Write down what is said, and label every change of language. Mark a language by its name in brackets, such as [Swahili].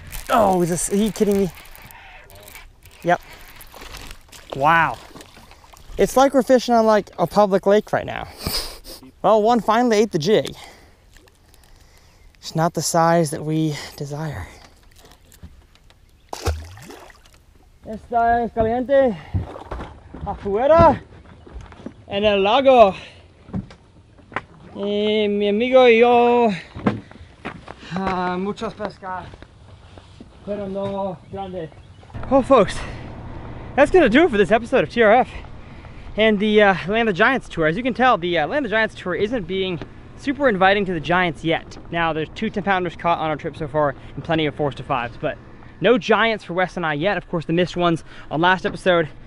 [English] Oh, is this, are you kidding me? Yep. Wow. It's like we're fishing on like a public lake right now. Well, one finally ate the jig. It's not the size that we desire. [Spanish] Esta es caliente afuera en el lago. Y mi amigo y yo muchos pescas. [English] Well, folks, that's going to do it for this episode of TRF and the Land of Giants tour. As you can tell, the Land of Giants tour isn't being super inviting to the Giants yet. Now, there's 2 10-pounders caught on our trip so far and plenty of 4s to 5s, but no Giants for Wes and I yet. Of course, the missed ones on last episode.